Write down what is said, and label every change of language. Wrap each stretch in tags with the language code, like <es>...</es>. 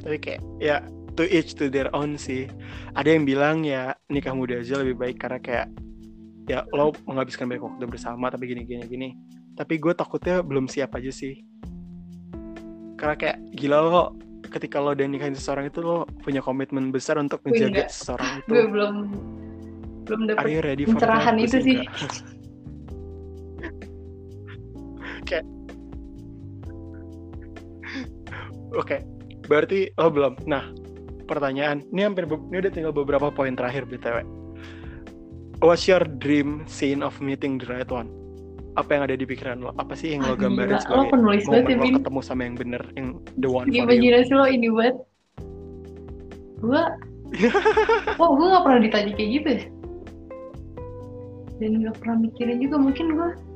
<id>Tapi kayak, ya</id> <en>to each to their own</en> <id>sih. Ada yang bilang ya nikah muda aja lebih baik karena kayak ya lo menghabiskan banyak waktu bersama. Tapi gini. Tapi gue takutnya belum siap aja sih. Karena kayak gila lo ketika lo udah nikahin seseorang itu, lo punya komitmen besar untuk menjaga seseorang itu. Gue belum dapet.</id> <en>Are you ready</en> <id>for pencerahan itu sih. Kayak oke, berarti lo belum. Nah, pertanyaan ini hampir ini udah tinggal beberapa poin terakhir BTW.</id> <en>What's your dream scene of meeting the right one?</en> <id>Apa yang ada di pikiran lo? Apa sih yang lo gambarin sebagai lo penulis moment lo ketemu sama yang bener, yang</id> <en>the one for you?</en> <id>Imajinasi lo ini buat gue. Wah, gue gak pernah ditanya kayak gitu. Dan gak pernah mikirin juga mungkin gue.</id>